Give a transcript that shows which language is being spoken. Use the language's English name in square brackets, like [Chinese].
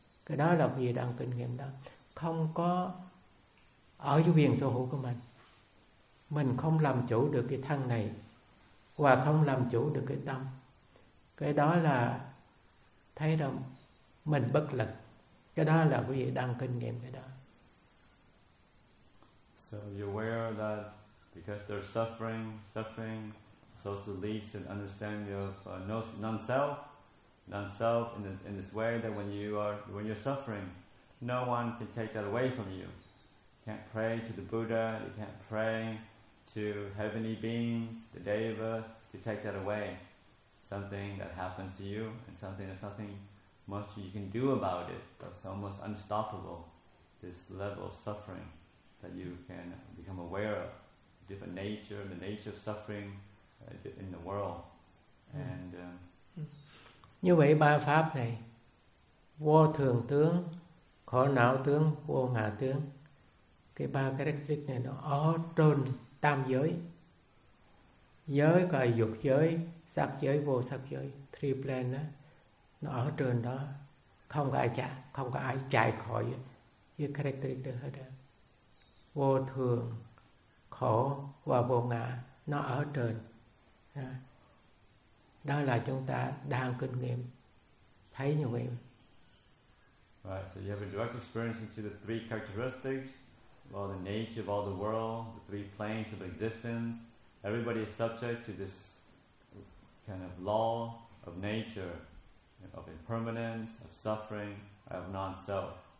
[Vietnamese] Cái đó là gì đang kinh nghiệm đó. Không có ở dưới quyền sở hữu của mình. Mình không làm chủ được cái thân này và không làm chủ được cái tâm. Cái đó là thấy rằng mình bất lực. Cái đó là gì đang kinh nghiệm cái đó. [English] So you're aware that because there's suffering also leads to an understanding of non-self. Non-self in this way that when you're suffering, no one can take that away from you. You can't pray to the Buddha, you can't pray to heavenly beings, the Deva, to take that away. something that happens to you, and something there's nothing much you can do about it. It's almost unstoppable, this level of suffering that you can become aware of, different nature, the nature of suffering in the world. And [Vietnamese] như vậy ba pháp này, vô thường tướng, khổ não tướng, vô ngã tướng, cái ba characteristic này nó ở trên tam giới, giới gọi dục giới, sắc giới, vô sắc giới, [English] three plane [Vietnamese] đó, nó ở trên đó, không có ai chạy, không có ai chạy khỏi cái characteristic đó, vô thường, khổ và vô ngã, nó ở trên. Đó là chúng ta đang kinh nghiệm, thấy như vậy. [English] Right, so you have a direct experience into the three characteristics, well, the nature of all the world, the three planes of existence. Everybody is subject to this kind of law of nature, of impermanence, of suffering, of non-self.